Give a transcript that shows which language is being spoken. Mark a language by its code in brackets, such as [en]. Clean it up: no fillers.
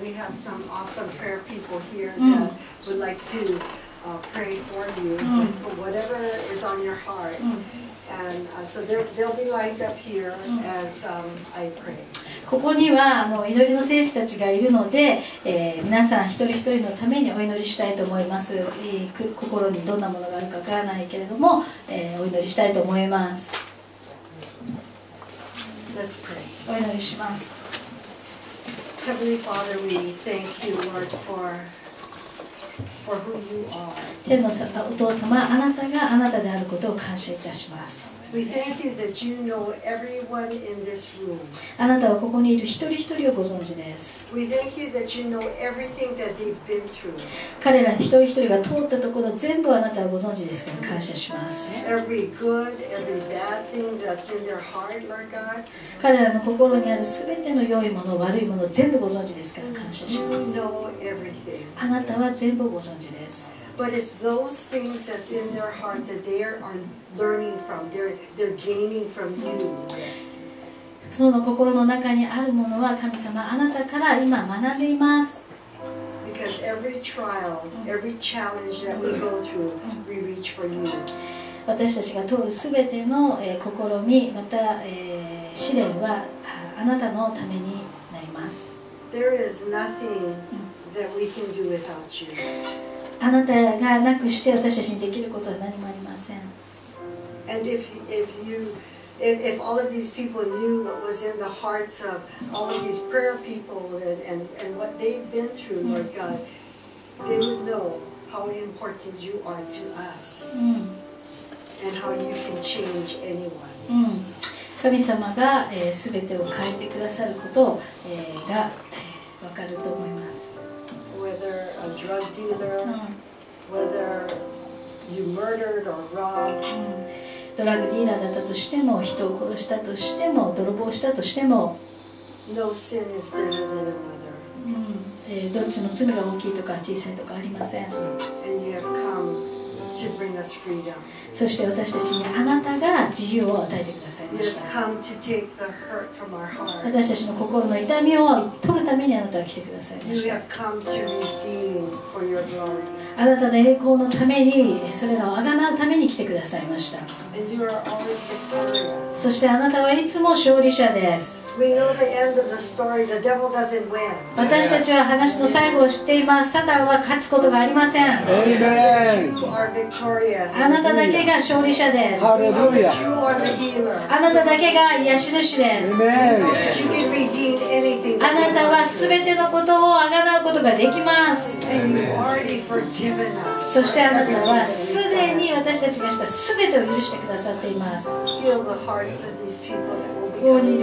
[en] We have some awesome prayer people here that would like to pray for you for whatever is on your heart. And so they'll be lined up here as I pray. [ja] ここには祈りの聖士たちがいるので、皆さん一人一人のためにお祈りしたいと思います。心にどんなものがあるかわからないけれども、お祈りしたいと思います。 [en] Let's pray. [ja] お祈りします。 [en] Heavenly Father, we thank you, Lord, for who you are. [ja] 天のお父様、あなたがあなたであることを感謝いたします。 [en] We thank you that you know everyone in this room. [ja] あなたはここにいる一人一人をご存知です。 [en] We thank you that you know everything that they've been through. [ja] 彼ら一人一人が通ったところ全部あなたはご存知ですから感謝します。 [en] Every good, every bad thing that's in their heart, Lord God. [ja] 彼らの心にあるすべての良いもの、悪いもの全部ご存知ですから感謝します。 [en] You know everything. [ja] あなたは全部ご存知です。 [en] But it's those things that's in their heart that they are learning from. They're gaining from you. [ja] その心の中にあるものは神様あなたから今学んでいます。 [en] Because every trial, every challenge that we go through, we reach for you. [ja] 私たちが通るすべての試み、また試練はあなたのためになります。 [en] There is nothing that we can do without you. [ja] あなたがなくして私たちにできることは何もありません。 [en] And if all of these people knew what was in the hearts of all of these prayer people and what they've been through, Lord God, they would know how important you are to us and how you can change anyone. [ja] 神様が、全てを変えてくださることを、が分かると思います。 [en] Whether a drug dealer, whether you murdered or robbed, [ja] ドラッグディーラーだったとしても、人を殺したとしても、泥棒したとしても、 [en] no sin is greater than another. [ja] どっちの罪が大きいとか小さいとかありません。 [en] And you have come to bring us freedom. [ja] そして私たちにあなたが自由を与えてくださいました。 [en] You have come to take the hurt from our heart. [ja] 私たちの心の痛みを取るためにあなたは来てくださいました。 [en] You have come to redeem for your glory. [ja] あなたの栄光のためにそれらを贖うために来てくださいました。 [en] And you are always victorious. [ja] そしてあなたはいつも勝利者です。 [en] We know the end of the story. The devil doesn't win. [ja] 私たちは話の最後を知っています。サタンは勝つことがありません。 [en] Amen. You are victorious. [ja] あなただけが勝利者です。 [en] Hallelujah. You are the healer. [ja] あなただけが癒し主です。 [en] Amen. You can redeem anything. [ja] あなたはすべてのことを贖うことができます。 [en] And you already forgiven us. [ja] そしてあなたはすでに私たちがしたすべてを許してくださっています。 [en] Heal the hearts of these people that will be